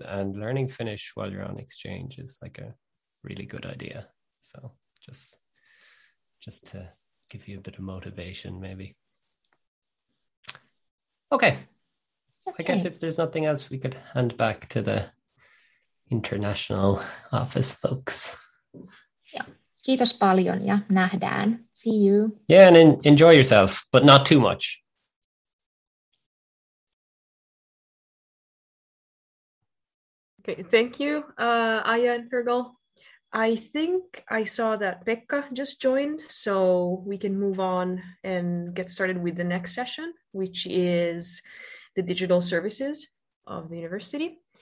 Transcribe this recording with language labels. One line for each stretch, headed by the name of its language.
English: And learning Finnish while you're on exchange is like a really good idea. So just to give you a bit of motivation, maybe. Okay. I guess if there's nothing else, we could hand back to the international office folks. Yeah.
Finnish: Kiitos paljon ja nähdään.
English: See you. Yeah, and enjoy yourself, but not too much. Okay, thank you, Aya and Virgil. I think I saw that Pekka just joined, so we can move on and get started with the next session, which is the digital services of the university.